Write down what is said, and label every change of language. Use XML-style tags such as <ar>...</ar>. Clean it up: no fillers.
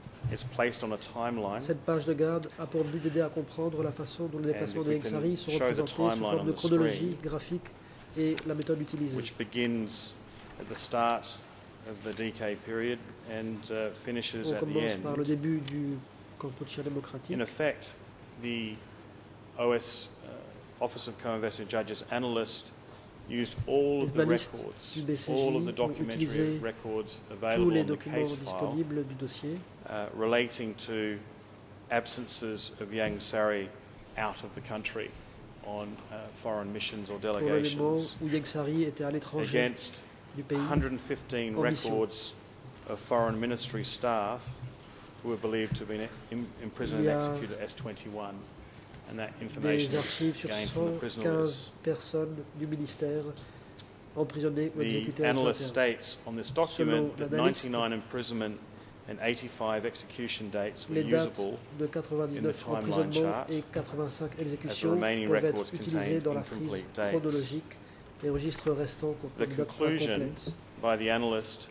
<en>It's placed on a timeline.</en> <fr>Cette page de garde a pour but d'aider à comprendre la façon dont les déplacements de Yang Sari sont représentés sous forme de chronologie graphique et la méthode utilisée.</fr> <en>Which begins at the start of the DK period and finishes at the end.</en> <fr>On commence par le début du Kampuchea démocratique.</fr> <en>In effect, the OS Office of Co-Investigating Judges analyst used all of the records, all of the documentary records available on the case file relating to absences of Yang Sari out of the country on foreign missions or delegations against 115 records of foreign ministry staff who were believed to have been imprisoned and executed at S21. And that information</en> <fr>des archives sur 115 personnes du ministère emprisonnées ou exécutées.</fr> <en>The analyst states on this document that 99 imprisonment and 85 execution dates were usable</en> <fr>de 99</fr> <en>in the timeline chart.</en> <fr>Les dates de 85 exécutions peuvent être utilisées dans la frise chronologique. Les registres restants contenant</fr> <en>the conclusion by the analyst</en>